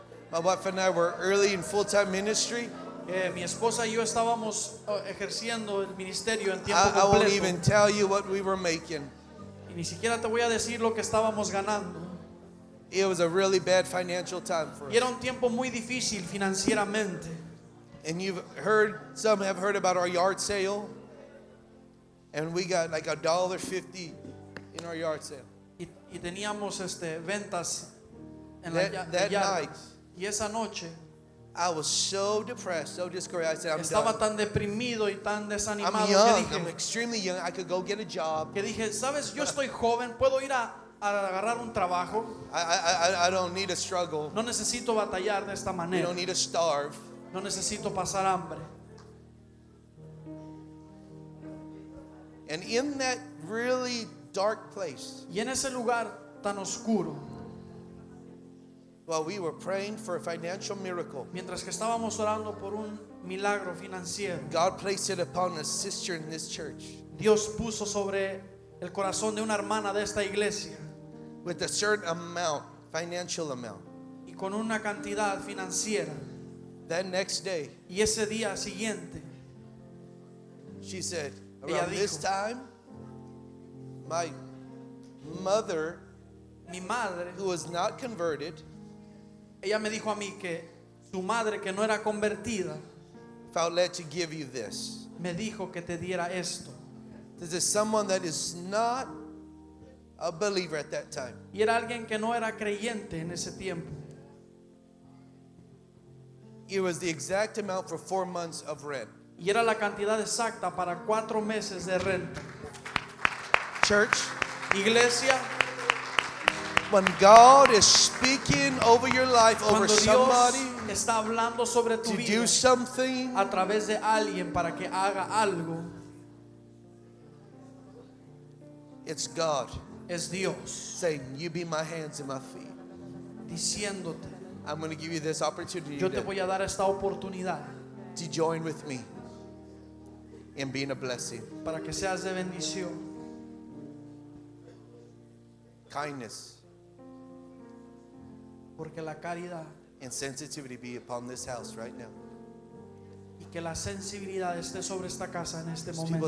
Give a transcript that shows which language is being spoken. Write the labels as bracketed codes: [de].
[en] My wife and I were early in full-time ministry. [es] Mi esposa y yo estábamos ejerciendo el ministerio en tiempo completo. [en] I won't even tell you what we were making. [es] Y ni siquiera te voy a decir lo que estábamos ganando. [en] It was a really bad financial time for us. [es] Era un tiempo muy difícil financieramente. [en] And you've heard, some have heard about our yard sale. And we got like $1.50 in our yard sale. [es] Y teníamos ventas en [en] that, [es] la, [en] that night. [es] Y esa noche, [en] I was so depressed, so discouraged. I said, I'm [es] estaba [en] done. [es] Tan deprimido y tan desanimado. [en] I'm young. [es] Que dije, [en] I'm extremely young. I could go get a job. [es] Que dije, sabes, yo estoy joven, puedo ir a agarrar un trabajo. [en] I don't need a struggle. [es] No necesito batallar de esta manera. [en] We don't need to starve. [es] No necesito pasar hambre. [en] And in that really dark place. [es] Y en ese lugar tan oscuro. [en] While we were praying for a financial miracle. [es] Mientras que estábamos orando por un milagro financiero. [en] God placed it upon a sister in this church. [es] Dios puso sobre el corazón de una hermana de esta iglesia. [en] With a certain amount, financial amount. [es] Y con una cantidad financiera. [en] That next day. [es] Y ese día siguiente. [en] She said, around this time, my mother, [es] mi madre, [en] who was not converted, [es] ella me dijo a mí que su madre que no era convertida, [en] felt led to give you this. [es] Me dijo que te diera esto. [en] This is someone that is not a believer at that time. [es] Y era alguien que no era creyente en ese tiempo. [en] It was the exact amount for 4 months of rent. [es] Y era la cantidad exacta para 4 meses de renta. [en] Church. [es] Iglesia. [en] When God is speaking over your life, over somebody, [es] está hablando sobre tu vida, [en] to do something, [es] a través de alguien para que haga algo, [en] it's God. [es] Es Dios. [en] Saying, you be my hands and my feet. [es] Diciéndote, [en] I'm going to give you this opportunity [es] yo te voy a dar esta oportunidad [en] to join with me. and being a blessing. [es] Para que seas de bendición. [en] Kindness. [es] Porque la caridad. [en] And sensitivity be upon this house right now. [es] Y que la sensibilidad esté sobre esta casa en este momento.